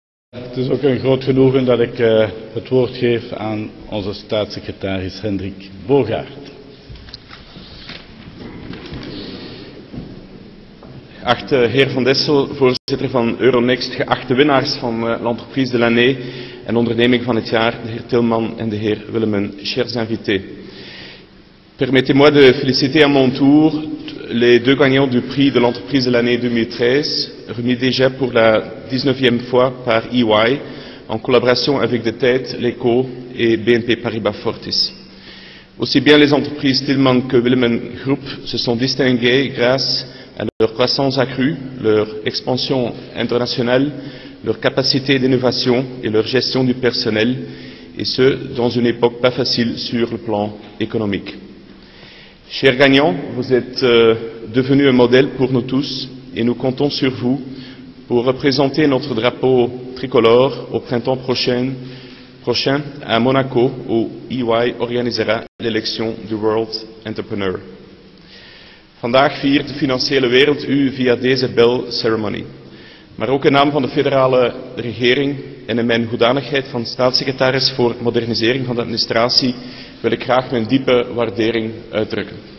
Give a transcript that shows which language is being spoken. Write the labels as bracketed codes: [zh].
[nl] Het is ook een groot genoegen dat ik het woord geef aan onze staatssecretaris Hendrik Bogaert. Geachte heer Van Dessel, voorzitter van Euronext, geachte winnaars van [fr] l'entreprise de l'année [nl] en onderneming van het jaar, de heer Tilman en de heer Willemen, [fr] chers invités. Permettez-moi de féliciter à mon tour les deux gagnants du prix de l'entreprise de l'année 2013, remis déjà pour la 19e fois par EY, en collaboration avec De Tijd, L'Echo et BNP Paribas Fortis. Aussi bien les entreprises Tilman que Willemen Group se sont distinguées grâce à leur croissance accrue, leur expansion internationale, leur capacité d'innovation et leur gestion du personnel, et ce, dans une époque pas facile sur le plan économique. Chers gagnants, vous êtes devenu un modèle pour nous tous et nous comptons sur vous pour représenter notre drapeau tricolore au printemps prochain à Monaco où EY organisera l'élection du World Entrepreneur. [nl] Vandaag viert de financiële wereld u via deze bell ceremony. Maar ook in naam van de federale regering en in mijn hoedanigheid van staatssecretaris voor modernisering van de administratie wil ik graag mijn diepe waardering uitdrukken.